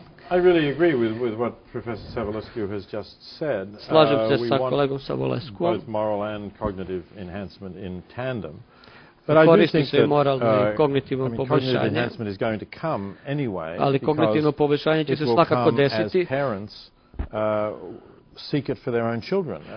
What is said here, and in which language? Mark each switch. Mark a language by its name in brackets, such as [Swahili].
[English] I really agree with what Professor Savulescu has just said. [Serbian] Slažem se sa kolegom Savulescu. [English] Both moral and cognitive enhancement in tandem. But I do think that [Serbian] moralno i kognitivno poboljšanje. [English] Cognitive enhancement is going to come anyway. [Serbian] Ali kognitivno poboljšanje će se svakako desiti. [English] Parents seek it for their own children.